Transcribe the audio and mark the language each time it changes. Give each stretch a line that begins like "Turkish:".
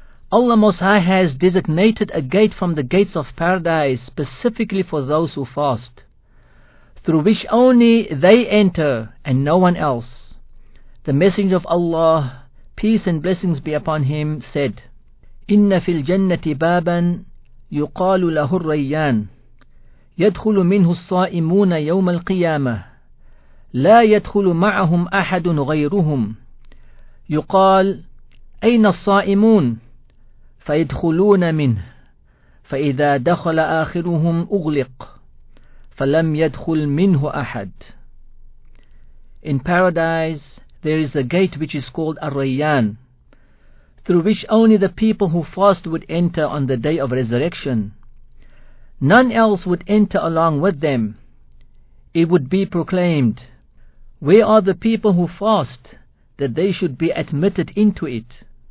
English: Allah Most High has designated a gate from the gates of paradise specifically for those who fast, through which only they enter and no one else. The Messenger of Allah, peace and blessings be upon him, said,
Arabic: إن في الجنة بابا يقال له الريان، يدخل منه الصائمون يوم القيامة، لا يدخل معهم أحد غيرهم. يقال: أين الصائمون؟ فيدخلون منه، فإذا دخل آخرهم أغلق، فلم يدخل منه أحد.
English: In paradise, there is a gate which is called Ar-Rayyan, through which only the people who fast would enter on the day of resurrection. None else would enter along with them. It would be proclaimed, "Where are the people who fast, that they should be admitted into it?"